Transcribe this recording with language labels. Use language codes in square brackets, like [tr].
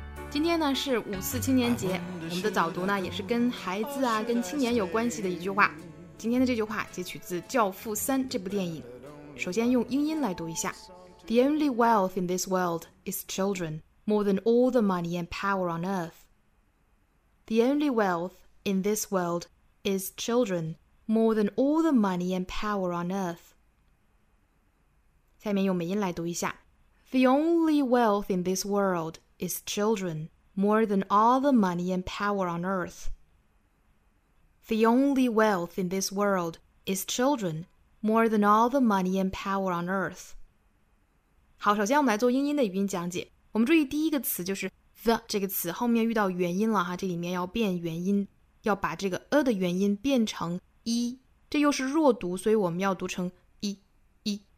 [zh] 今天呢是五四青年节，我们的早读呢也是跟孩子啊跟青年有关系的一句话。今天的这句话截取自《教父三》这部电影。首先用英音来读一下。 [en] The only wealth in this world is children, more than all the money and power on earth. The only wealth in this world is children, more than all the money and power on earth. [zh] 下面用美音来读一下。 [en] The only wealth in this world is children, more than all the money and power on earth. The only wealth in this world is children, more than all the money and power on earth. [zh] 好，首先我们来做英音的语音讲解。我们注意第一个词就是the 这个词后面遇到元音了哈，这里面要变元音，要把这个 a 的元音变成 e， 这又是弱读，所以我们要读成 e e。